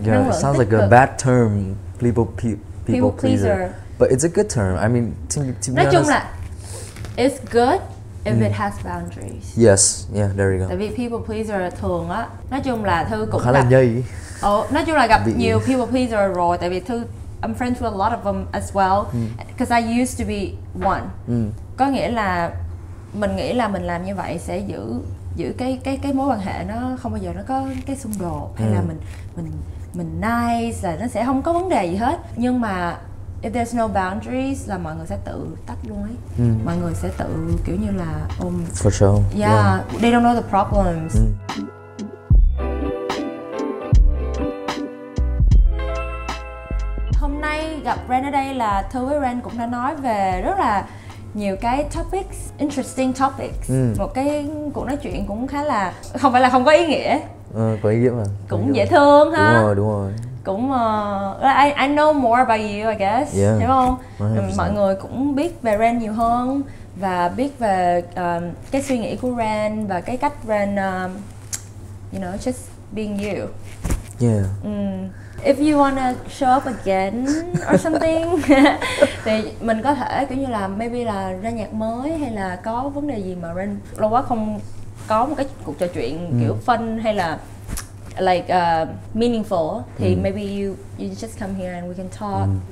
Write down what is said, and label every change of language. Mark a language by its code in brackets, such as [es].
[en] Yeah, it sounds like a bad term, people pleaser. But it's a good term. I mean, to [vi] nói chung là [en] it's good if it has boundaries. Yes, yeah, there you go. [vi] Tại vì people pleaser thường á, nói chung là Thư cũng khá là nhây. Nói chung là gặp nhiều people pleaser rồi, tại vì [en] Thư I'm friends with a lot of them as well, because I used to be one. [vi] Có nghĩa là mình nghĩ là mình làm như vậy sẽ giữ cái mối quan hệ nó không bao giờ nó có cái xung đột, hay là mình nice là nó sẽ không có vấn đề gì hết. Nhưng mà [en] if there's no boundaries [vi] là mọi người sẽ tự tách luôn ấy. Mọi người sẽ tự kiểu như là [en] for sure. Yeah, they don't know the problems. [vi] Hôm nay gặp Ren ở đây là Thư với Ren cũng đã nói về rất là nhiều cái topics, [en] interesting topics. [vi] Một cái cuộc nói chuyện cũng khá là không phải là không có ý nghĩa. Có ý nghĩa mà. Cũng nghĩa dễ thương mà. Ha. Đúng rồi. [en] Cũng I know more about you, I guess. Yeah. [vi] Đúng không? Mọi người cũng biết về Ren nhiều hơn và biết về cái suy nghĩ của Ren và cái cách Ren [en] you know, just being you. Yeah. If you wanna show up again or something [vi] thì mình có thể kiểu như là maybe là ra nhạc mới hay là có vấn đề gì mà Ren lâu quá không có một cái cuộc trò chuyện kiểu fun hay là like meaningful thì [en] maybe you just come here and we can talk.